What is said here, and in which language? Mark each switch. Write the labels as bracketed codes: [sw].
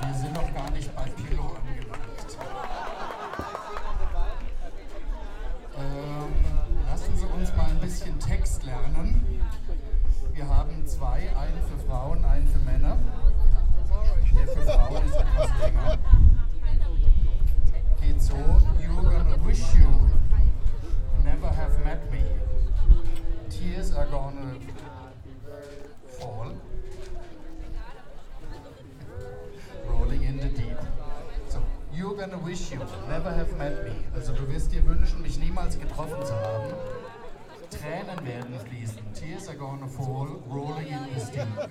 [de] gar nicht bei Pirlo angelangt. Lassen Sie uns mal ein bisschen Text lernen. Wir haben zwei, einen für Frauen, einen für Männer. Der für Frauen ist etwas länger. Geht so, [en] you're gonna wish you never have met me. Tears are gonna fall. Rolling in the deep. So, you're gonna wish you never have met me. [de] Also du wirst dir wünschen, mich niemals getroffen zu haben. Tränen werden fließen. [en] Tears are gonna fall, rolling in the deep.